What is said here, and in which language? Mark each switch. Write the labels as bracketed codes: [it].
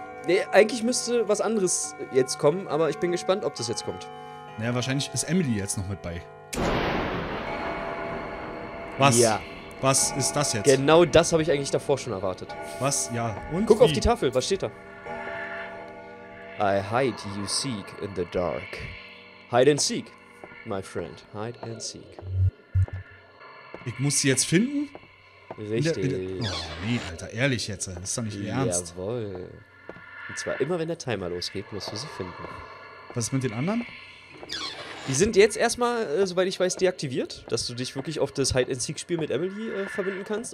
[de] Nee, eigentlich müsste was anderes jetzt kommen, aber ich bin gespannt, ob das jetzt kommt. Naja, wahrscheinlich ist Emily jetzt noch mit bei. Was? Ja. Was ist das jetzt? Genau das habe ich eigentlich davor schon erwartet. Was? Ja. Und guck wie? Auf die Tafel, was steht da? [en] I hide you seek in the dark. Hide and seek, my friend. Hide and seek. [de] Ich muss sie jetzt finden? Richtig. Nee, Alter, ehrlich jetzt. Das ist doch nicht ernst. Jawohl. Und zwar immer, wenn der Timer losgeht, musst du sie finden. Was ist mit den anderen? Die sind jetzt erstmal, soweit ich weiß, deaktiviert, dass du dich wirklich auf das Hide-and-Seek-Spiel mit Emily verbinden kannst.